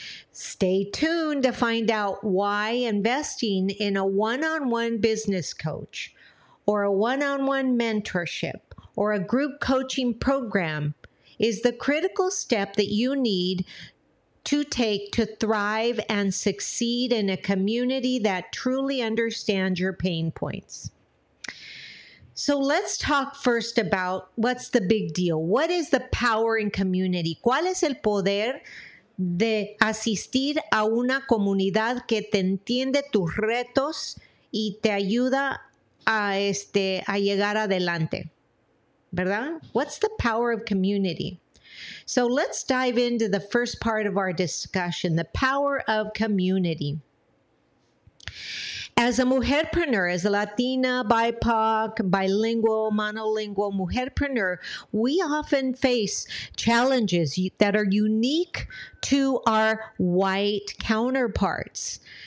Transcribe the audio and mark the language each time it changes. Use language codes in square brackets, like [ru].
[en] Stay tuned to find out why investing in a one-on-one business coach or a one-on-one mentorship or a group coaching program is the critical step that you need to take to thrive and succeed in a community that truly understands your pain points. So let's talk first about what's the big deal. What is the power in community? [es] ¿Cuál es el poder de asistir a una comunidad que te entiende tus retos y te ayuda a llegar adelante? [en] ¿Verdad? What's the power of community? So let's dive into the first part of our discussion, the power of community. As a mujerpreneur, as a Latina, BIPOC, bilingual, monolingual mujerpreneur, we often face challenges that are unique to our white counterparts.